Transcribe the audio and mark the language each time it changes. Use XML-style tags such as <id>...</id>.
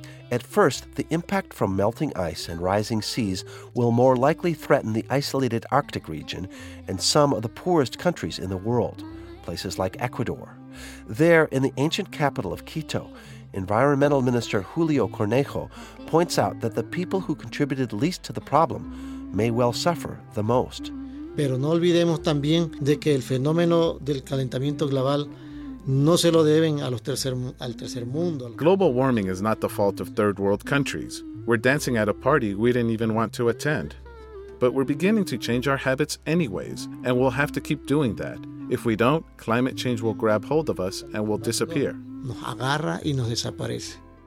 <en>At first, the impact from melting ice and rising seas will more likely threaten the isolated Arctic region and some of the poorest countries in the world, places like Ecuador. There, in the ancient capital of Quito, Environmental Minister Julio Cornejo points out that the people who contributed least to the problem may well suffer the most.</en> <es>Pero no olvidemos también de que el fenómeno del calentamiento global no se lo deben a los al tercer mundo.</es> <en>Global warming is not the fault of third world countries. We're dancing at a party we didn't even want to attend. But we're beginning to change our habits anyways, and we'll have to keep doing that. If we don't, climate change will grab hold of us and we'll disappear.</en> <es>Nos agarra y nos desaparece.</es>